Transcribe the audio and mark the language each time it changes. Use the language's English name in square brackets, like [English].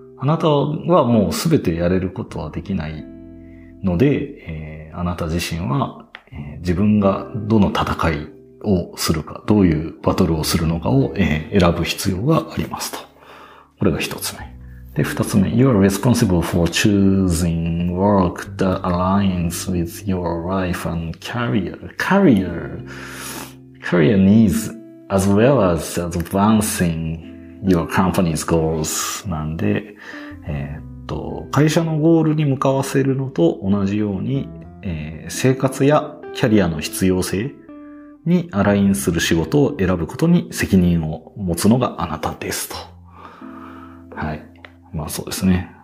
[Japanese] あなたはもうすべてやれることはできないので、あなた自身は、自分がどの戦いをするか、どういうバトルをするのかを、選ぶ必要がありますと。これが一つ目。で、二つ目。 [English] You are responsible for choosing work that aligns with your life and career. Career needs as well as advancing your company's goals. [Japanese] なんで、会社のゴールに向かわせるのと同じように、生活やキャリアの必要性にアラインする仕事を選ぶことに責任を持つのがあなたですと。はい。まあそうですね。